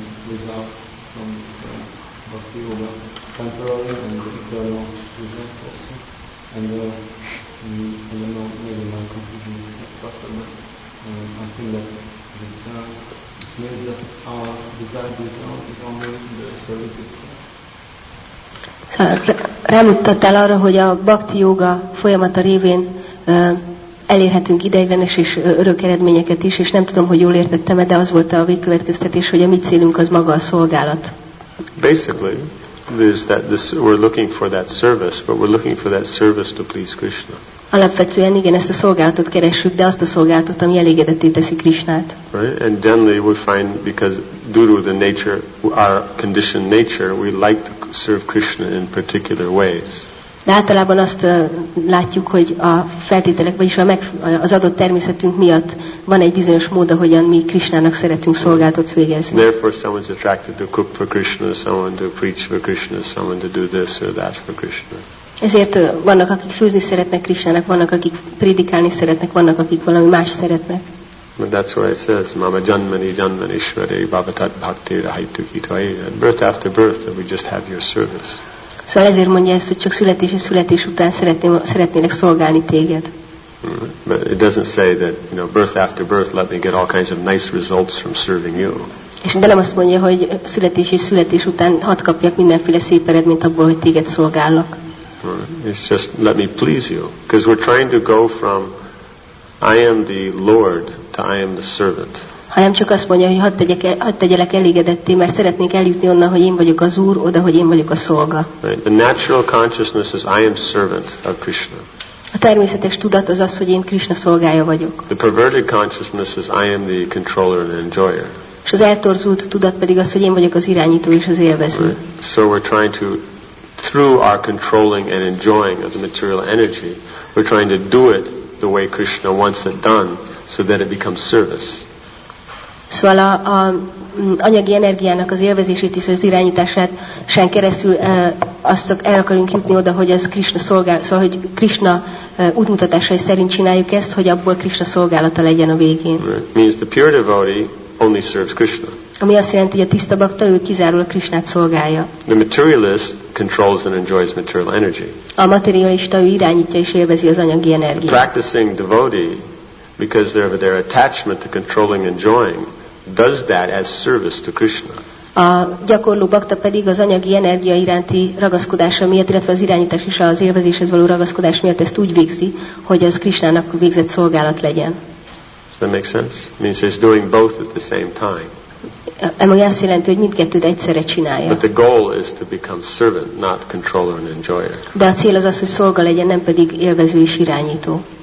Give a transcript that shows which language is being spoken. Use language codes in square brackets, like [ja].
[en] Results from this bhakti yoga, temporary and the eternal results also. And I don't know, maybe my confusion is proper, but I think that this means that our desire itself is only the service itself. [hu] So, rámutattál arra, hogy a bhakti yoga folyamata révén elérhetünk ideiglenes és örök eredményeket is, és nem tudom, hogy jól értettem-e, de az volt a végkövetkeztetés, hogy a mi célunk az maga a szolgálat. [en] Basically, is that this, we're looking for that service, but we're looking for that service to please Krishna. [hu] Alapvetően igen, ezt a szolgálatot keresjük, de azt a szolgálatot, ami elégedetté teszi Krisnát. [en] Right? And generally we find because due to the nature, our conditioned nature, we like to serve Krishna in particular ways. [hu] De általában azt látjuk, hogy a feltételek, vagyis az adott természetünk miatt van egy bizonyos mód, ahogyan mi Krisnának szeretünk szolgálatot végezni. [en] Therefore someone is attracted to cook for Krishna, someone to preach for Krishna, someone to do this or that for Krishna. [hu] Ezért vannak, akik főzni szeretnek Krisnának, vannak, akik prédikálni szeretnek, vannak, akik valami más szeretnek. [en] But that's why it says, [sa] Mama Janmani Janmani Shvare Bhavatat Bhakti Rahaitu Kitvai. [en] At birth after birth, we just have your service. [hu] Szóval ezért mondja ezt, hogy csak születés és születés után szeretnélek szolgálni téged. Mm-hmm. [en] But it doesn't say that, you know, birth after birth, let me get all kinds of nice results from serving you. [hu] És de nem azt mondja, hogy születés és születés után hadd kapjak mindenféle szép eredményt abból, hogy téged szolgállak. [en] It's just let me please you, because we're trying to go from I am the Lord to I am the servant. [hu] Ha nem csak azt mondja, hogy hadd tegyelek elégedetté, mert szeretnék eljutni onnan, hogy én vagyok az Úr, oda, hogy én vagyok a szolga. [en] Right. The natural consciousness is I am servant of Krishna. [hu] A természetes tudat az az, hogy én Krishna szolgája vagyok. [en] The perverted consciousness is I am the controller and enjoyer. [hu] És az eltorzult tudat pedig az, hogy én vagyok az irányító és az élvező. [en] Right. So we're trying to, through our controlling and enjoying of the material energy, we're trying to do it the way Krishna wants it done, so that it becomes service. [hu] Szóval a anyagi energiának az élvezését és az irányítását sen keresztül azt el akarunk jutni oda, hogy ez Krishna szolgál, szóval hogy Krishna útmutatásai szerint csináljuk ezt, hogy abból Krishna szolgálata legyen a végén. [en] Right. Means the pure devotee only serves Krishna. [hu] Ami azt jelenti, hogy a tiszta bakta, ő kizárólag Krishnát szolgálja. [en] The materialist controls and enjoys material energy. [hu] A materialista, ő irányítja és élvezi az anyagi energiát. [en] Practicing devotee, because of their attachment to controlling and enjoying, does that as service to Krishna. [hu] A gyakorló bakta pedig az anyagi energia iránti ragaszkodása miatt, illetve az irányítás és az élvezéshez való ragaszkodás miatt ezt úgy végzi, hogy az Krishnának végzett szolgálat legyen. [en] Does that make sense? It means he's doing both at the same time. [hu] Ami azt jelenti, hogy mindkettőt egyszerre csinálja. [en] But the goal is to become servant, not controller and enjoyer. [hu] De a cél az az, hogy szolga legyen, nem pedig élvező és irányító.